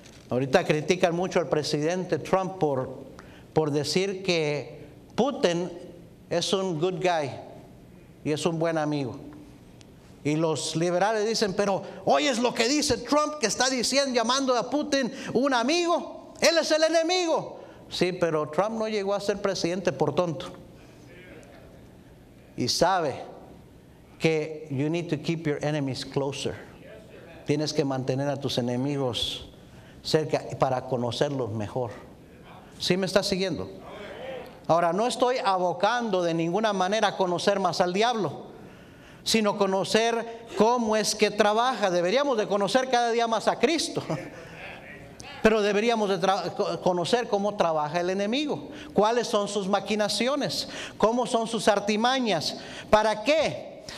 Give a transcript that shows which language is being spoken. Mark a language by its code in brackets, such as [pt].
[es] Ahorita critican mucho al presidente Trump por decir que Putin es un [en] good guy [es] y es un buen amigo. Y los liberales dicen, pero hoy es lo que dice Trump, que está diciendo, llamando a Putin un amigo. Él es el enemigo. Sí, pero Trump no llegó a ser presidente por tonto. Y sabe que [en] you need to keep your enemies closer. [es] Tienes que mantener a tus enemigos cerca para conocerlos mejor. ¿Sí me estás siguiendo? Ahora, no estoy abocando de ninguna manera a conocer más al diablo, sino conocer cómo es que trabaja. Deberíamos de conocer cada día más a Cristo. Pero deberíamos de conocer cómo trabaja el enemigo, cuáles son sus maquinaciones, cómo son sus artimañas. ¿Para qué?